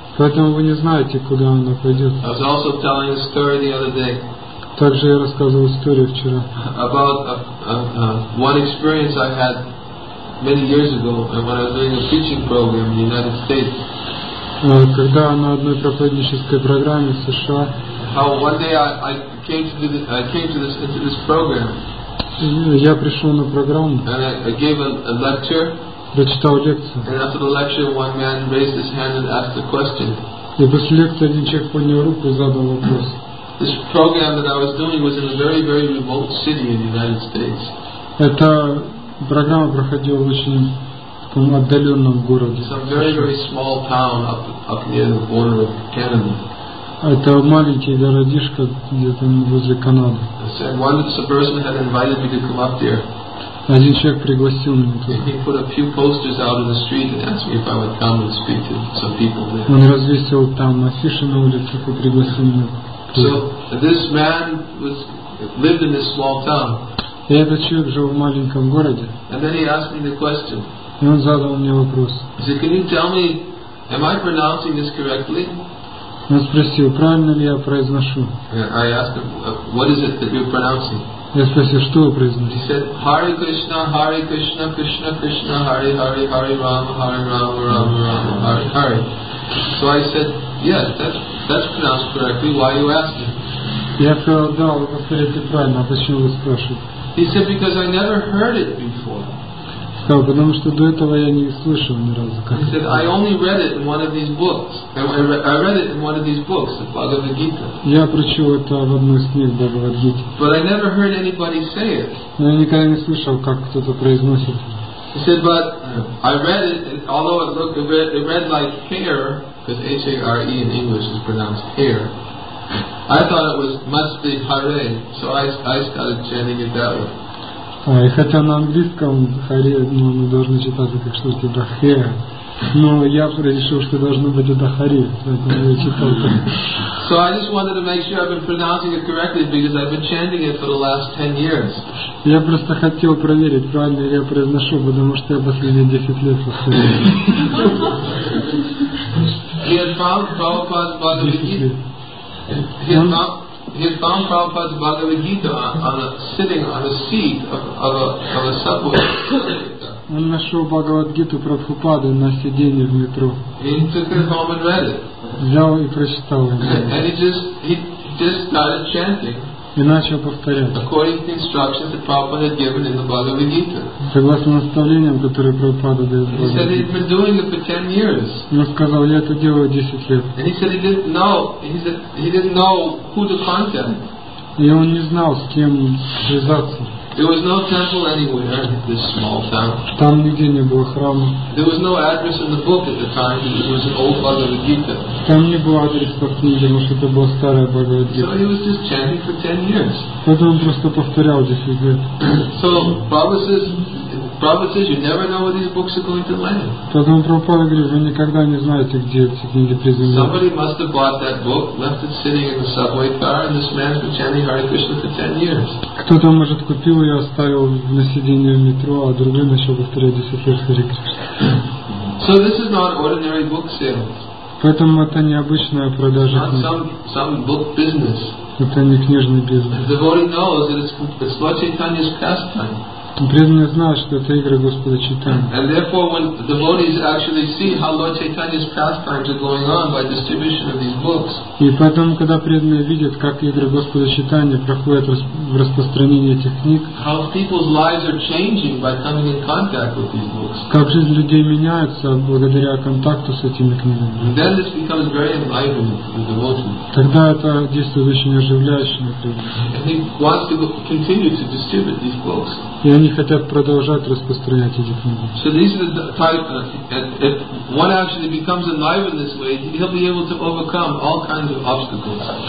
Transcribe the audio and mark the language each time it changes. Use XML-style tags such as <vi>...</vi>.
<ru>Поэтому вы не знаете, куда она пойдет.</ru> <en>I was also telling a story the other day.</en> <ru>Также я рассказывал историю вчера.</ru> <en>About one experience I had many years ago, and when I was doing a teaching program in the United States.</en> <ru>Когда на одной проповеднической программе в США.</ru> <en>How one day I came to this program.</en> <ru>Я пришел на программу.</ru> <en>And I gave a lecture.</en> <ru>Прочитал лекцию.</ru> <en>And after the lecture, one man raised his hand and asked a question.</en> <ru>И после лекции один человек поднял руку и задал вопрос.</ru> <en>This program that I was doing was in a very, very remote city in the United States.</en> <ru>Эта программа проходила в очень таком отдаленном городе.</ru> <en>Some very, very small town up near the border of Canada.</en> <ru>Это маленький городишко где-то возле Канады. Один человек пригласил меня туда.</ru> <en>He put a few posters out in the street and asked me if I would come and speak to some people there.</en> <ru>Он развесил там афиши на улице и пригласил меня.</ru> <en>So this man was lived in this small town.</en> <ru>И этот человек жил в маленьком городе.</ru> <en>And then he asked me the question.</en> <ru>И он задал мне вопрос.</ru> <en>He said, "Can you tell me, am I pronouncing this correctly?"</en> <ru>Он спросил, правильно ли я произношу.</ru> <en>I asked him, "What is it that you're pronouncing?"</en> <ru>Я спросил, что вы произносите?</ru> <en>He said, "Hare Krishna, Hare Krishna, Krishna Krishna, Hare Hare, Hare Rama, Hare Rama, Rama Rama, Hare Hare." So I said, "Yes, that's pronounced correctly. Why are you asking?"</en> <ru>Я сказал, да, вы повторяете правильно. Почему вы спрашиваете?</ru> <en>He said, "Because I never heard it before."</en> <ru>Сказал, потому что до этого я не слышал ни разу.</ru> <en>He said, "I only read it in one of these books. I read it in one of these books, the Bhagavad Gita."</en> <ru>Я прочел это в одной из книг Бхагавад Гиты.</ru> <en>But I never heard anybody say it.</en> <ru>Но я никогда не слышал, как кто-то произносит.</ru> <en>He said, "But I read it, and although it looked it read like hair, because H-A-R-E in English is pronounced hair. I thought it was must be Hare, so I started chanting it that way."</en> <ru>И хотя на английском Харе, ну, мы должны читать как что-то типа Хе, но я решил, что должно быть это Харе, поэтому я читал так.</ru> <en>So I just wanted to make sure I've been pronouncing it correctly because I've been chanting it for the last 10 years.</en> <ru>Я просто хотел проверить, правильно ли я произношу, потому что я последние 10 лет повторяю.</ru> <en>He had found Prabhupada's Bhagavad Gita. He found Prabhupada's Bhagavad Gita sitting on a seat of a subway.</en> <ru>Он нашел Бхагавад Гиту Прабхупады на сиденье в метро.</ru> <en>He took it home and read it.</en> <ru>Взял и прочитал.</ru> <en>And he just started chanting.</en> <ru>И начал повторять.</ru> <en>According to the instructions that Prabhupada had given in the Bhagavad Gita.</en> <ru>Согласно наставлениям, которые Прабхупада дает.</ru> <en>He said he'd been doing it for 10 years.</en> <ru>Он сказал, я это делаю 10 лет.</ru> <en>And he said he didn't know who to contact.</en> <ru>И он не знал, с кем связаться.</ru> <en>There was no temple anywhere in this small town.</en> <ru>Там нигде не было храма.</ru> <en>There was no address in the book at the time. It was an old Bhagavad Gita.</en> <ru>Там не было адреса в книге, потому что это была старая Бхагавад Гита.</ru> <en>So he was just chanting for 10 years.</en> <ru>Поэтому он просто повторял 10 лет.</ru> <en>So Prabhupada says, "You never know where these books are going to land."</en> <ru>Поэтому Прабхупада говорит, вы никогда не знаете, где эти книги приземлятся.</ru> <en>Somebody must have bought that book, left it sitting in the subway car, and this man's been chanting Hare Krishna for 10 years.</en> <ru>Кто-то может купил я оставил на сиденье в метро, а другой начал повторять 10 лет Харе Кришна.</ru> <en>So this is not ordinary book sales.</en> <ru>Поэтому это не обычная продажа книг.</ru> <en>Some book business.</en> <ru>Это не книжный бизнес.</ru> <en>The devotee knows that it's Lord Chaitanya's pastime.</en> <ru>Преданный знает, что это игры Господа Чайтаньи.</ru> <en>And therefore, when the devotees actually see how Lord Chaitanya's pastimes are going on by distribution of these books.</en> <ru>И поэтому, когда преданные видят, как игры Господа Чайтаньи проходят в распространении этих книг.</ru> <en>How people's lives are changing by coming in contact with these books.</en> <ru>Как жизнь людей меняется благодаря контакту с этими книгами.</ru> <en>And then this becomes very enlivening for the devotee.</en> <ru>Тогда это действует очень оживляюще.</ru> <en>And he wants to continue to distribute these books.</en> <ru>И они не хотят продолжать распространять эти книги.</ru> <en>So this is the type of, if one actually becomes enlivened this way, he'll be able to overcome all kinds of obstacles.</en>